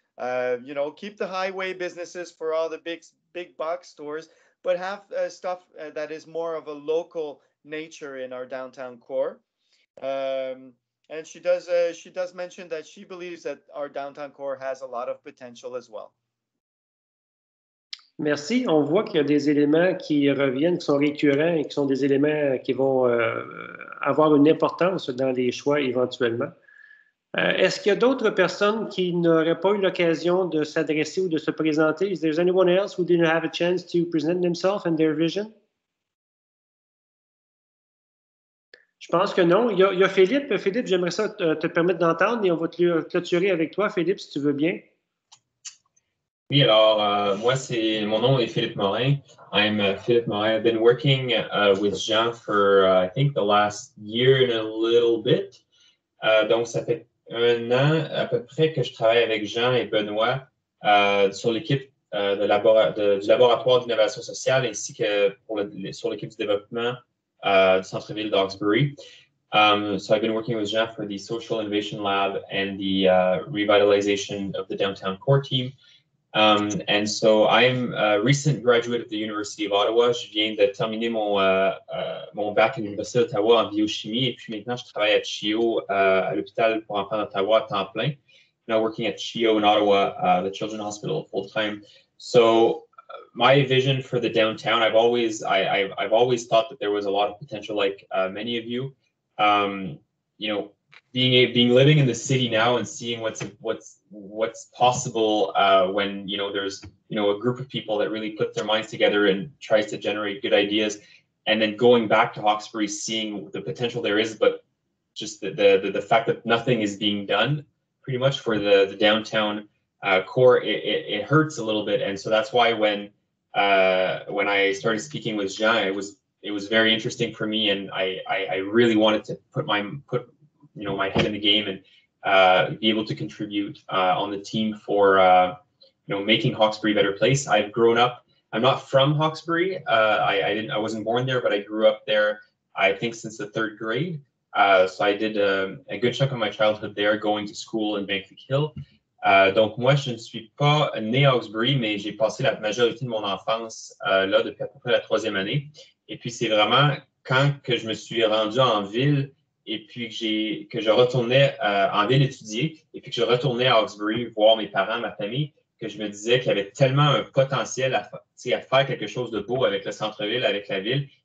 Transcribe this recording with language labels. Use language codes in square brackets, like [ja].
[en] Keep the highway businesses for all the big box stores, but have stuff that is more of a local nature in our downtown core. And she does mention that she believes that our downtown core has a lot of potential as well. [fr] Merci. On voit qu'il y a des éléments qui reviennent, qui sont récurrents et qui sont des éléments qui vont avoir une importance dans les choix éventuellement. Est-ce qu'il y a d'autres personnes qui n'auraient pas eu l'occasion de s'adresser ou de se présenter? [en] Is there anyone else who didn't have a chance to present themselves and their vision? [fr] Je pense que non. Il y a Philippe. Philippe, j'aimerais ça te permettre d'entendre et on va te clôturer avec toi, Philippe, si tu veux bien. Oui, alors, moi, mon nom est Philippe Morin. [en] I'm Philippe Morin. I've been working with Jean for, I think, the last year and a little bit. [fr] Donc, ça fait un an à peu près que je travaille avec Jean et Benoît sur l'équipe du laboratoire d'innovation sociale ainsi que sur l'équipe du développement du centre-ville d'Hawkesbury. [en] So I've been working with Jean for the Social Innovation Lab and the revitalization of the downtown core team. And so I'm a recent graduate of the University of Ottawa. [fr] Je viens de terminer mon bac à l'Université d'Ottawa en biochimie. Et puis maintenant, je travaille à CHEO, à l'hôpital pour enfants d'Ottawa à temps plein. [en] Now working at CHEO in Ottawa, the Children's Hospital full time. So my vision for the downtown, I've always thought that there was a lot of potential, like many of you. Being living in the city now and seeing what's possible when there's a group of people that really put their minds together and tries to generate good ideas, and then going back to Hawkesbury, seeing the potential there is, but just the fact that nothing is being done pretty much for the downtown core, it hurts a little bit. And so that's why when I started speaking with Jean, it was very interesting for me, and I really wanted to put my head in the game and be able to contribute on the team for making Hawkesbury a better place. I've grown up, I'm not from Hawkesbury. I wasn't born there, but I grew up there, I think, since the third grade. So I did a good chunk of my childhood there, going to school in Bankwick Hill. [fr] Donc moi, je ne suis pas né à Hawkesbury, mais j'ai passé la majorité de mon enfance là depuis à peu près la troisième année. Et puis c'est vraiment quand que je me suis rendu en ville et puis que je retournais en ville étudier, et puis que je retournais à Hawkesbury voir mes parents, ma famille, que je me disais qu'il y avait tellement un potentiel à faire quelque chose de beau avec le centre-ville, avec la ville.